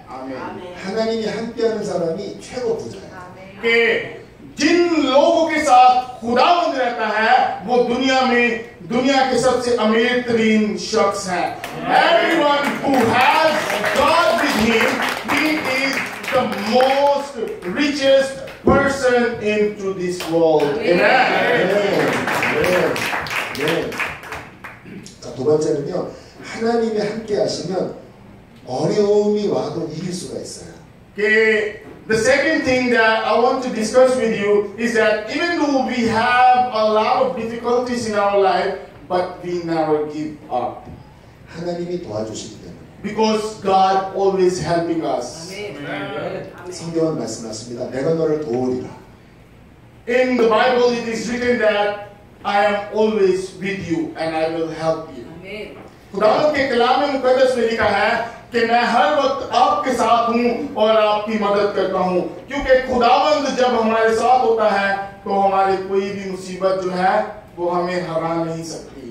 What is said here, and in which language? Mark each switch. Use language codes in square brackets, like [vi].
[ko] 아멘. 하나님이 함께하는 사람이 최고 부자예요. 아멘. [hi] 진 लोगों के साथ खुदावंद रहता है वो दुनिया के सबसे अमीर ترین शख्स है. [en] Everyone who has God with him he is the most richest person into this world. Amen. [ko] Amen. Amen. Amen. 네. 자, 두 번째는요. 하나님이 함께 하시면 어려움이 와도 이길 수가 있어요. [en] The second thing that I want to discuss with you is that even though we have a lot of difficulties in our life, but we never give up. [ko] 하나님이 도와주시기 때문에. [en] Because God always helping us. [ko] 성경은 말씀하십니다. 내가 너를 도우리라. [en] In the Bible it is written that I am always with you and I will help you. Amen. [ko] 하나님께 [hi] 그라메 무카데스에 लिखा है कि मैं हर वक्त आपके साथ हूं और आपकी मदद करता हूं. [ko] 그러니까 [hi] खुदावंद जब हमारे साथ होता है तो हमारी कोई भी मुसीबत जो है वो हमें हरा नहीं सकती.